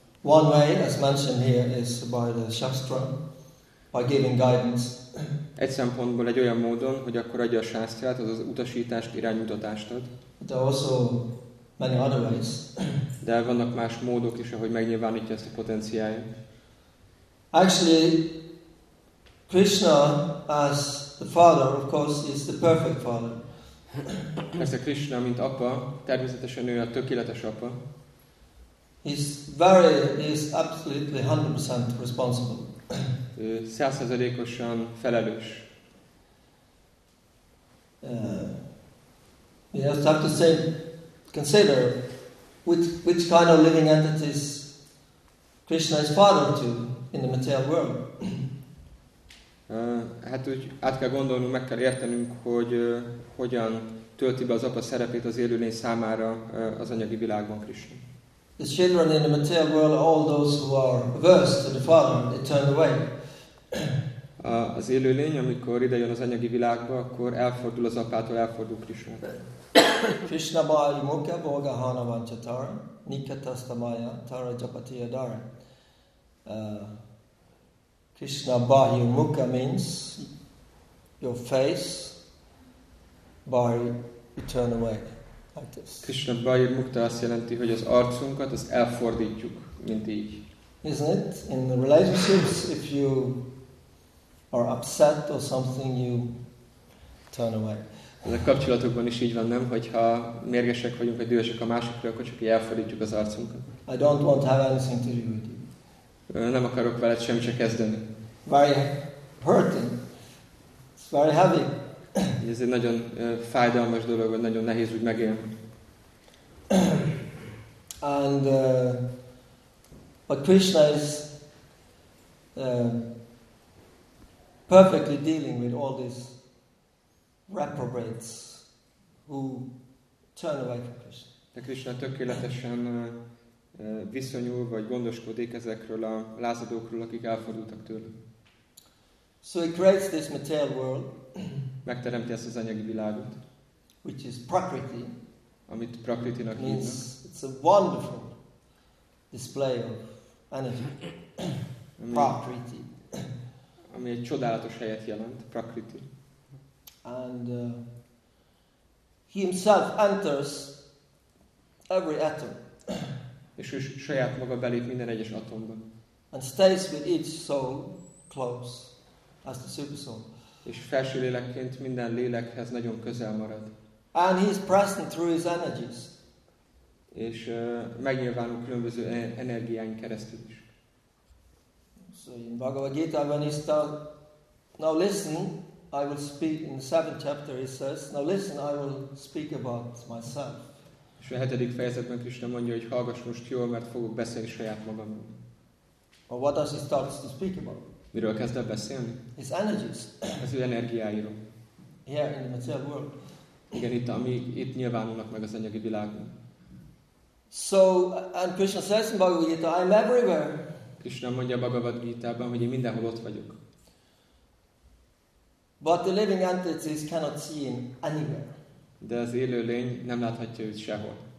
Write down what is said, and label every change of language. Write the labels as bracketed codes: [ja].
[en] One way, as mentioned here, is by the shastra, by giving guidance. [hu] Egy szempontból egy olyan módon, hogy akkor adja a sásztrát, az az utasítást, iránymutatást ad. [en] There are also many other ways. [hu] De vannak más módok is, ahogy megnyilvánítja ezt a potenciáját. [en] Actually, Krishna, as the father, of course, is the perfect father. [hu] Persze Krishna, mint apa, természetesen ő a tökéletes apa. [en] He is absolutely 100% responsible. [hu] Ő 100%-osan felelős. [en] You have to consider which kind of living entities Krishna is father to in the material world. [hu] Hát úgy át kell gondolnunk, meg kell értenünk, hogy hogyan tölti be az apa szerepét az élőlény számára az anyagi világban Krishna. [en] The children in the material world, all those who are averse to the father, they turn away. [hu] Az élőlény, amikor idejön az anyagi világba, akkor elfordul az apától, elfordul Krishna. Krishna bhaji mukha bhoga hanavan chataram nikatastamaya tara japatiya dara. [en] Krishna bhaji mukha means your face, bhaji you turn away. [hu] Krishna bhaji mukta azt jelenti, hogy az arcunkat az elfordítjuk, mint így. [en] Isn't it? In the relationships, if you are upset or something, you turn away. [hu] A kapcsolatokban is így van, nem? Hogyha mérgesek vagyunk, vagy dühösek a másikra, akkor csak elfordítjuk az arcunkat. [en] I don't want to have anything to do with you. [hu] Nem akarok veled semmit se kezdeni. [en] Very hurting. It's very heavy. [hu] Ez egy nagyon fájdalmas dolog, vagy nagyon nehéz úgy megélni. [en] And but Krishna is perfectly dealing with all these reprobates who turn away from Krishna. [hu] De Krishna tökéletesen viszonyul, vagy gondoskodik ezekről a lázadókról, akik elfordultak tőle. [en] So he creates this material world. [hu] Megteremti ezt az anyagi világot. [en] Which is prakriti. [hu] Amit prakritinak hívnak. [en] It's a wonderful display of energy. Prakriti. [hu] Ami egy csodálatos helyet jelent, prakriti. [en] And he himself enters every atom. [hu] És ő saját maga belép minden egyes atomba. [en] And stays with each soul close as the super soul. [hu] És felső lélekként minden lélekhez nagyon közel marad. [en] And he is present through his energies. [hu] És megnyilvánul különböző energiáink keresztül is. [en] So in Bhagavad Gita, when he start, now listen, I will speak, in the seventh chapter he says, now listen, I will speak about myself. [hu] És a hetedik fejezetben Krishna mondja, hogy hallgass most jól, mert fogok beszélni saját magamról. [en] Or what does he start to speak about? [hu] Miről kezd el beszélni? [en] His energies. [hu] Az ő energiáiról. [en] Here in the material world. [hu] Igen, itt, ami, itt nyilvánulnak meg az anyagi világon. [en] So, and Krishna says in Bhagavad Gita, I'm everywhere. [hu] Krishna mondja a Bhagavad Gita-ban, hogy én mindenhol ott vagyok. [en] But the living entities cannot see him anywhere. [hu] De az élő lény nem láthatja őt sehol.